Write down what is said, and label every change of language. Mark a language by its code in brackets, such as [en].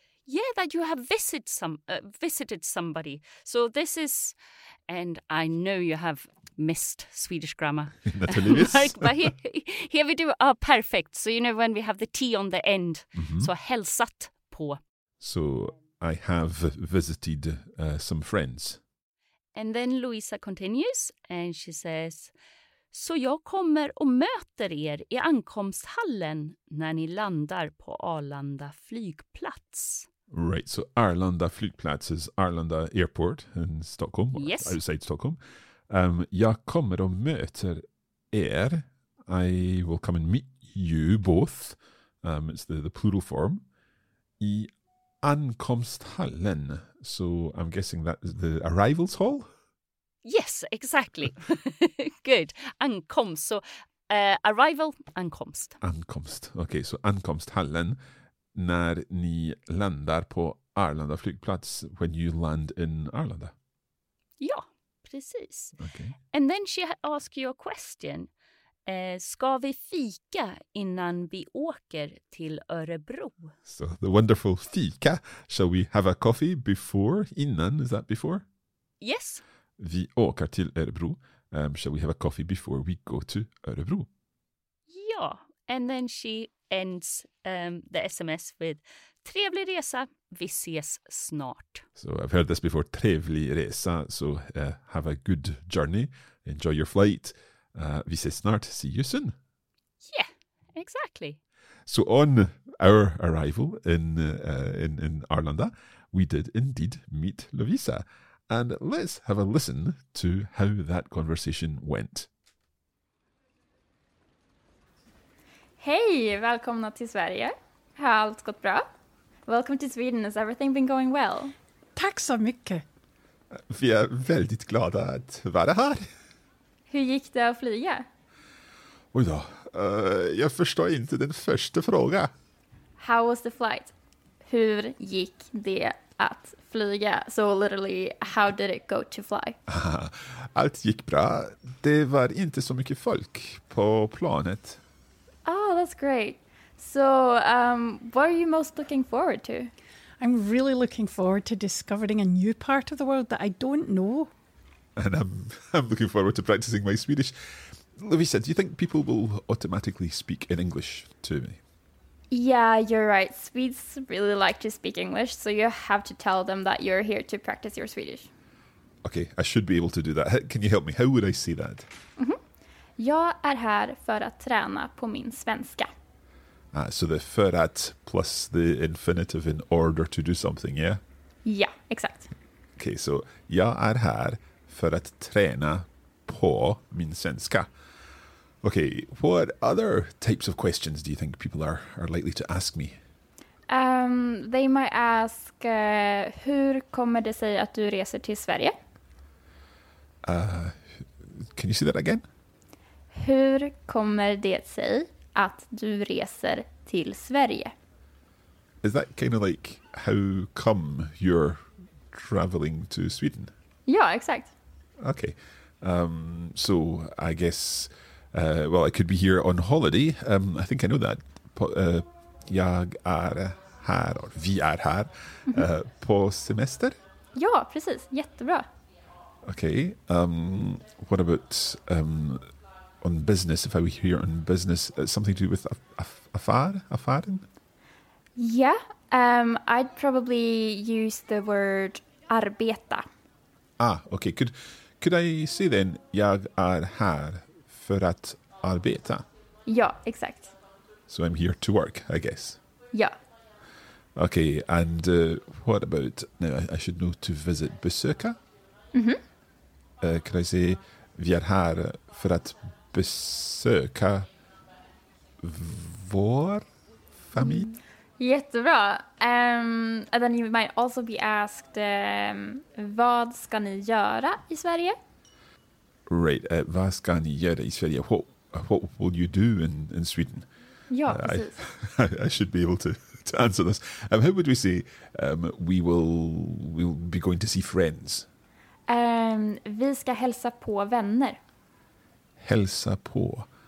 [en] Yeah, that you have visited somebody. So this is, and I know you have missed Swedish grammar. [sv] Naturligtvis. Like, [en] but here we do perfect. So you know when we have the T on the end. [sv] Mm-hmm. So hälsat på. [en] So I have visited some friends. And then Louisa continues and she says, [sv] så jag kommer och möter er I ankomsthallen när ni landar på Arlanda flygplats. [en] Right, so Arlanda flygplats is Arlanda airport in Stockholm, yes. Outside Stockholm. [sv] Jag kommer och möter er. [en] I will come and meet you both. It's the plural form. [sv] I ankomsthallen. [en] So I'm guessing that is the arrivals hall? Yes, exactly. Good. Ankomst. So arrival, ankomst. Ankomst. Okay, so ankomsthallen. [sv] När ni landar på Arlanda flygplats, [en] when you land in Arlanda. [sv] Ja, precis. [en] Okay. And then she asks you a question. [sv] Ska vi fika innan vi åker till Örebro? [en] So the wonderful fika. Shall we have a coffee before, innan, is that before? Yes. [sv] Vi åker till Örebro. [en] Shall we have a coffee before we go to Örebro? Ja, and then she ends the SMS with [sv] trevlig resa, vi ses snart. [en] So I've heard this before, [sv] trevlig resa, [en] so have a good journey, enjoy your flight, [sv] vi ses snart, [en] see you soon. Yeah, exactly. So on our arrival in Arlanda, we did indeed meet Lovisa. And let's have a listen to how that conversation went. [sv] Hey, välkomna till Sverige. Har allt gått bra? [en] Welcome to Sweden. Has everything been going well? [sv] Tack så mycket. Vi är väldigt glada att vara här. Hur gick det att flyga? Oj då, jag förstår inte den första frågan. [en] How was the flight? [sv] Hur gick det att flyga? [en] So literally, how did it go to fly? Allt gick bra. Det var inte så mycket folk på planet. Oh, that's great. So, what are you most looking forward to? I'm really looking forward to discovering a new part of the world that I don't know. And I'm looking forward to practicing my Swedish. Lovisa, do you think people will automatically speak in English to me? Yeah, you're right. Swedes really like to speak English, so you have to tell them that you're here to practice your Swedish. Okay, I should be able to do that. Can you help me? How would I say that? Mm-hmm. [sv] Jag är här för att träna på min svenska. [en] So the för att plus the infinitive in order to do something, yeah? Yeah, exakt. [sv] Okay, so jag är här för att träna på min svenska. [en] Okay, what other types of questions do you think people are likely to ask me? They might ask, [sv] hur kommer det sig att du reser till Sverige? [en] Can you say that again? [sv] Hur kommer det sig att du reser till Sverige? [en] Is that kind of like how come you're traveling to Sweden? [sv] Ja, exakt. [en] Okay. So I guess, I could be here on holiday. I think I know that. [sv] Jag är här och vi är här på semester. Ja, precis. Jättebra. [en] Okay. What about on business? If I were here on business, something to do with affären? Yeah. I'd probably use the word arbeta. Ah, okay. Could I say then, [sv] jag är här för att arbeta? Ja, exakt. [en] So I'm here to work, I guess. [sv] Ja. [en] Okay, and what about, now I should know, to visit, besöka? Mm-hmm. Could I say, [sv] vi är här för att besöka vår familj? Mm. [en] Jättebra. And then you might also be asked, [sv] vad ska ni göra i Sverige? Right, vad ska ni göra i Sverige? [en] What will you do in Sweden? [sv] Ja, precis. [en] I should be able to answer this. How would we say we'll be going to see friends? [sv] Vi ska hälsa på vänner. Hälsa på.